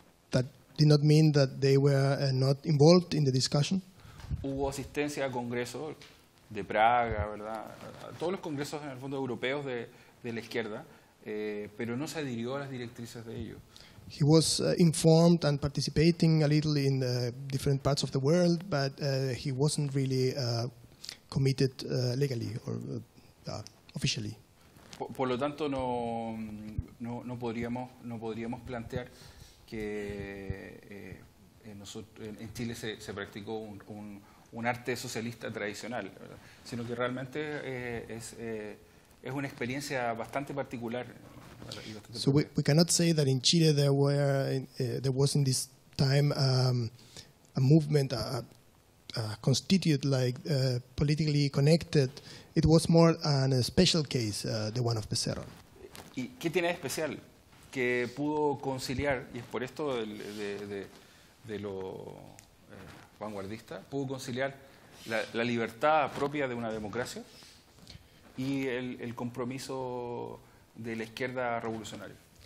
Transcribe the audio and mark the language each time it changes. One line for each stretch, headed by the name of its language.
English: That did not mean that they were not involved in the discussion.
Spanish: Hubo asistencia a congresos de Praga, ¿verdad? A todos los congresos en el fondo europeos de la izquierda, pero no se adhirió a las directrices de ellos.
English: He was informed and participating a little in the different parts of the world, but he wasn't really committed legally or officially.
Spanish: Por lo tanto, no podríamos plantear que en Chile se practicó un arte socialista tradicional, ¿verdad? Sino que realmente es una experiencia bastante particular.
English: So we cannot say that in Chile there were there was in this time a movement constituted like politically connected. It was more an special case, the one of Becerra.
Spanish: ¿Y qué tiene de especial que pudo conciliar, y es por esto de lo vanguardista, pudo conciliar la libertad propia de una democracia y el compromiso de la izquierda revolucionaria?